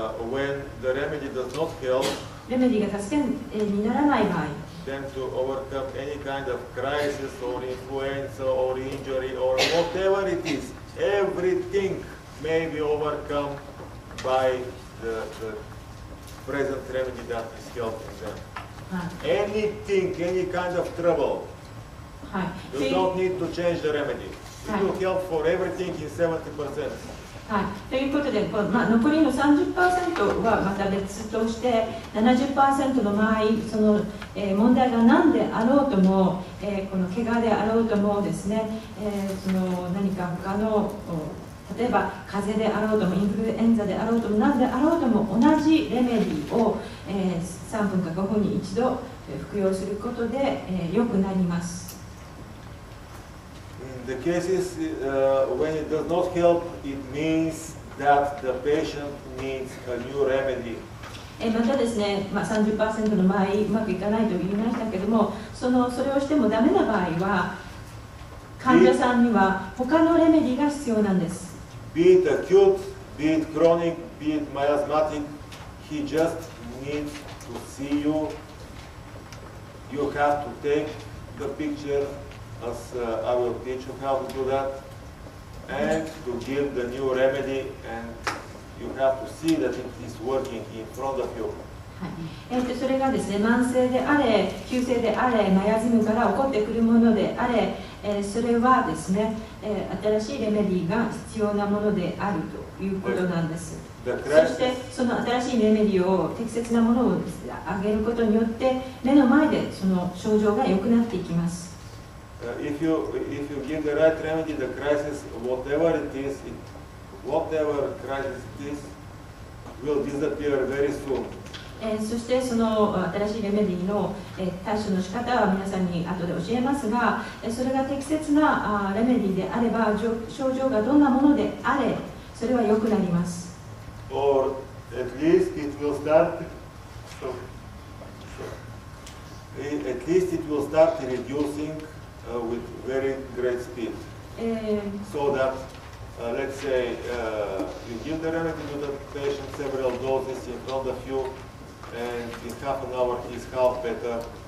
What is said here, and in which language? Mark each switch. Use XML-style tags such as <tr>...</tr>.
<en>when the remedy does not help,</en> <ja>レメディが助けにならない場合、</ja> <en>then to overcome any kind of crisis or influenza or injury or whatever it is, everything may be overcome by the present remedy that is helping them. Anything, any kind of trouble, you don't need to change the remedy. It will help for everything in 70%.</en> <ja>ということで、まあ、残りの 30% はまた別として 70% の場合、その、問題が何であろうとも、この怪我であろうともですね、その何か他の例えば風邪であろうともインフルエンザであろうとも何であろうとも同じレメディを、3分か5分に一度服用することで、良くなります。</ja> <en>In the cases, when it does not help, it means that the patient needs a new remedy.</en> <ja>またですね、まあ、30% の場合うまくいかないと言いましたけども、それをしてもダメな場合は患者さんには他のレメディが必要なんです。</ja> <en>Be it acute, be it chronic, be it miasmatic, he just needs to see you. You have to take the picture as I will teach you how to do that and to give the new remedy and you have to see that it is working in front of you.</en> <ja>それがですね、慢性であれ、急性であれ、マヤズムから起こってくるものであれ、それはですね、新しいレメディが必要なものであるということなんです。そして、その新しいレメディを、適切なものをですね、上げることによって、目の前でその症状が良くなっていきます。</ja> <en>If you give the right remedy, the crisis, whatever it is, whatever crisis it is, will disappear very soon.</en> <ja>そしてその新しいレメディの対処の仕方は皆さんに後で教えますが、それが適切なレメディであれば、症状がどんなものであれ、それは良くなります。</ja> <en>Or at least it will start at least it will start reducing with very great speed so thatlet's say you give the remedy to the patient several doses in front of youAnd in half an hour he's half better.</en>